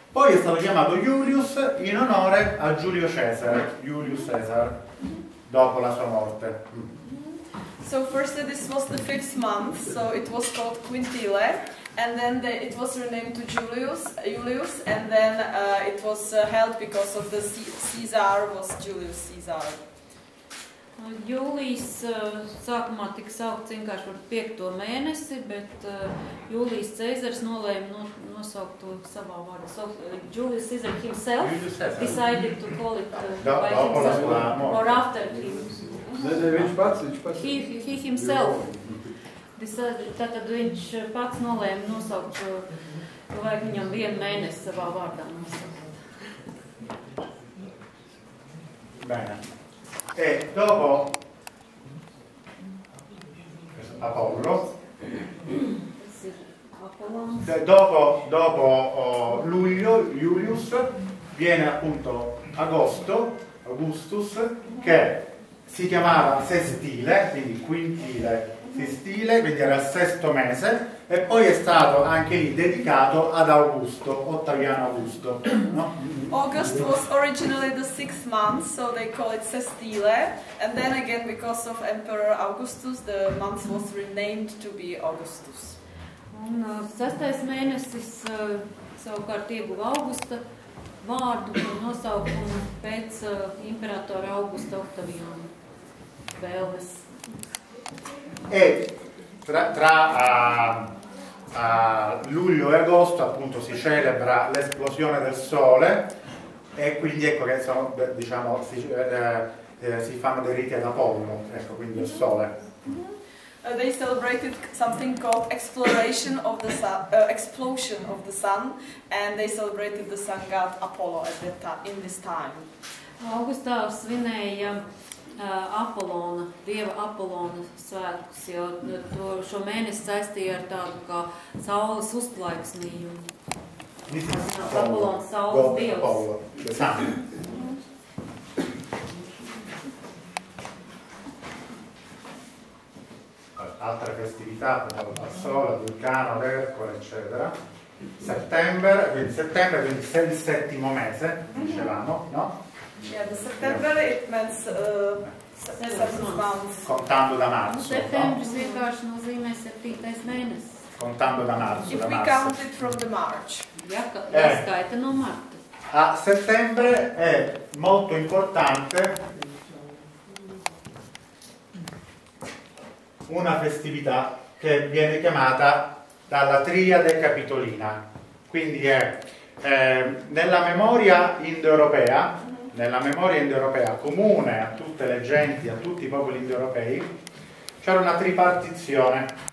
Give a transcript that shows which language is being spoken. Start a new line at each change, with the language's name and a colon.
Italian: Poi è stato chiamato Julius in onore a Giulio Cesare, Julius Caesar, dopo la sua morte.
English: So firstly this was the fifth month, so it was called Quintile, and then it was renamed to Julius, and then it was held because of the Caesar was Julius Caesar.
Latvian: Julijs sākumā tika saukt vienkārši par piekto mēnesi, bet Julijs Cēzars nolēma nosaukt to savā vārdu.
English: So, Julius Caesar himself decided to call it by himself or after him.
Latvian: Ne, viņš pats.
English: He himself decided,
Latvian: tātad viņš pats nolēma nosaukt to, lai viņam vienu mēnesi savā vārdā nosaukt.
Italian: Bene. E dopo Apollo, luglio, Julius, viene appunto Augustus, che si chiamava Sestile, quindi Quintile Sestile, quindi era il sesto mese, e poi è stato anche lì dedicato ad Augusto, Ottaviano Augusto. No?
English: August was originally the sixth month, so they call it Sestile, and then again because of Emperor Augustus, the month was renamed to be Augustus.
Latvian: Un sestais mēnesis savukārt ieguva Augusta vārdu un nosaukumu pēc imperatora Augusta Ottaviana vēlmes.
Italian: E tra luglio e agosto appunto si celebra l'esplosione del sole e quindi ecco che sono, diciamo si fanno dei riti ad Apollo, ecco, quindi il sole.
English: They celebrated something called exploration of the sun, explosion of the sun, and they celebrated the sun god Apollo at that time, in this time.
Latvian: augustā svinēja Apolona, dieva Apolona svētkus, jo to, šo mēnesi saistīja ar tādu kā saules uzplaiksnījumu. Apolona saules dievs.
Italian: Altra festività, la sola, Vulcano, l'Ercole, eccetera. Settembre, è il settimo mese, dicevamo, no?
English: Settembre it means seventh month.
Italian: Contando da marzo.
Latvian: Settembre vienkārši nozīmē septītais mēnesis.
Italian: Contando da marzo.
English: If we count it from the March.
Latvian: Jā, skaita no marta.
Italian: A settembre è molto importante una festività che viene chiamata dalla triade capitolina. Quindi è nella memoria indoeuropea, nella memoria indoeuropea comune a tutte le genti, a tutti i popoli indoeuropei, c'era una tripartizione.